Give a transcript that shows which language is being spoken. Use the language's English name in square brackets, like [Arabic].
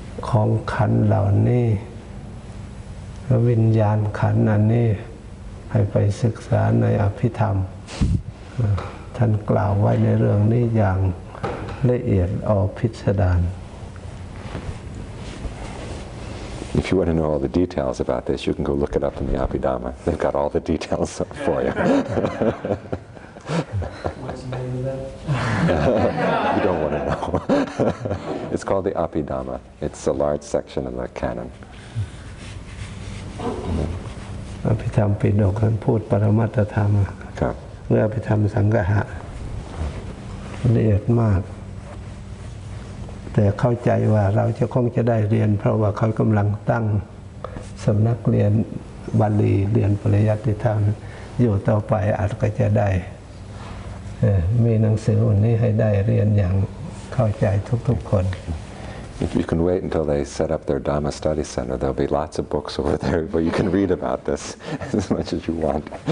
[Thai] ของขันเหล่านี้และวิญญาณขันอันนี้ให้ไปศึกษาในอภิธรรมท่านกล่าวไว้ในเรื่องนี้อย่างละเอียดอภิสดาร [English] If you want to know all the details about this, you can go look it up in the Abhidhamma. They've got all the details for you. What's the name of that? You don't want to know. It's called the Abhidhamma. It's a large section of the canon. Abhidham Pindok, and put Paramattha Dhamma. Okay. And Abhidham Sangaha. Leet Maak. [Thai] แต่เข้าใจว่าเราจะคงจะได้เรียนเพราะว่าเขากำลังตั้งสำนักเรียนบาลีเรียนปริยัติธรรมอยู่ต่อไปอาจก็จะได้มีหนังสือวันนี้ให้ได้เรียนอย่างเข้าใจทุกๆคน [English] If you can wait until they set up their Dhamma study center, there'll be lots of books over there where you can read about this as much as you want.